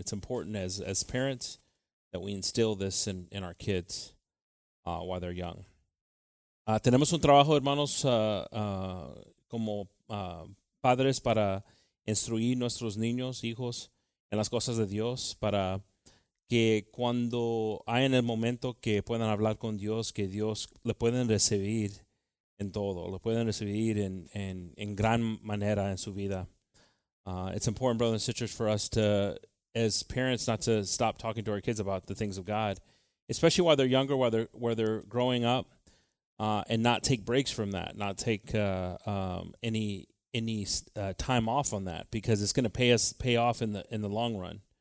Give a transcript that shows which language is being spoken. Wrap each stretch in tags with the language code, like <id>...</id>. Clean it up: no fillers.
<en>It's important as parents that we instill this in our kids while they're young.</en> <es>Tenemos un trabajo, hermanos, como padres para instruir nuestros niños, hijos, en las cosas de Dios, para que cuando hay en el momento que puedan hablar con Dios, que Dios le pueden recibir en todo, lo pueden recibir en gran manera en su vida.</es> <en>It's important, brothers and sisters, for us to, as parents, not to stop talking to our kids about the things of God, especially while they're younger, while they're growing up, and not take breaks from that, not take any time off on that, because it's going to pay off in the long run.</en>